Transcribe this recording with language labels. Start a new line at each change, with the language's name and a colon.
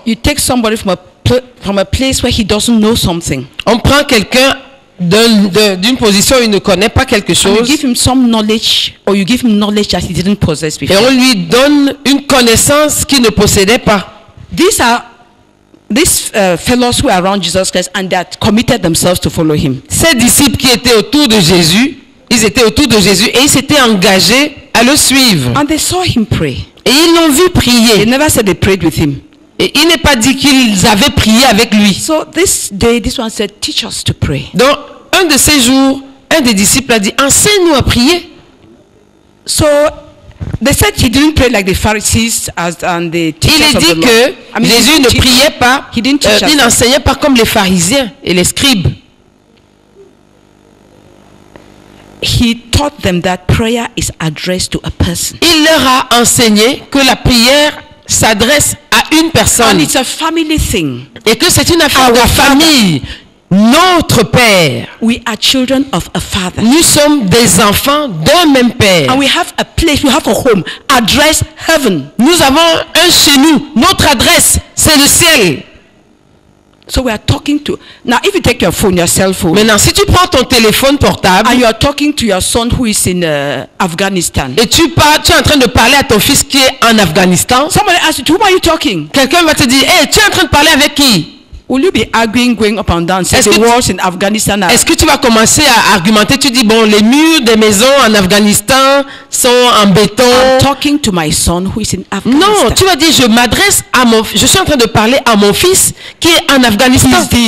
English: you take somebody from a place where he doesn't know something.
French: On prend quelqu'un d'une position où il ne connaît pas quelque chose.
English: And you give him some knowledge, or you give him knowledge that he didn't possess before.
French: Et on lui donne une connaissance qu'il ne possédait pas.
English: These fellows who are around Jesus Christ and that committed themselves to follow him.
French: Ces disciples qui étaient autour de Jésus, ils étaient autour de Jésus et ils s'étaient engagés à le suivre.
English: And they saw him pray.
French: Et ils l'ont vu prier.
English: They never said they prayed with him.
French: Et il n'est pas dit qu'ils avaient prié avec lui.
English: So this day, this one said, "Teach us to pray."
French: Donc un de ces jours, un des disciples a dit, "Enseigne-nous à prier."
English: So they said he didn't pray like the Pharisees as and the teachers of the law.
French: Il dit que Jésus ne priait pas. Il n'enseignait pas comme les pharisiens et les scribes.
English: He taught them that prayer is addressed to a person.
French: Il leur a enseigné que la prière s'adresse à une personne.
English: And it's a family thing.
French: Et que c'est une affaire de famille. Notre Père.
English: We are children of a father.
French: Nous sommes des enfants d'un même Père.
English: And we have a place, we have a home, address heaven.
French: Nous avons un chez nous. Notre adresse, c'est le ciel.
English: So we are talking to. Now, if you take your phone, your cell phone.
French: Maintenant, si tu prends ton téléphone portable.
English: And you are talking to your son who is in Afghanistan.
French: Et tu es en train de parler à ton fils qui est en Afghanistan.
English: Somebody asks you, to whom are you talking?
French: Quelqu'un va te dire, hey, tu es en train de parler avec qui?
English: Will you be arguing going up and down? Say the walls in Afghanistan.
French: Est-ce que tu vas commencer à argumenter? Tu dis bon, les murs des maisons en Afghanistan sont en béton.
English: I'm talking to my son who is in Afghanistan.
French: Non, tu vas dire je m'adresse à mon, je suis en train de parler à mon fils qui est en Afghanistan.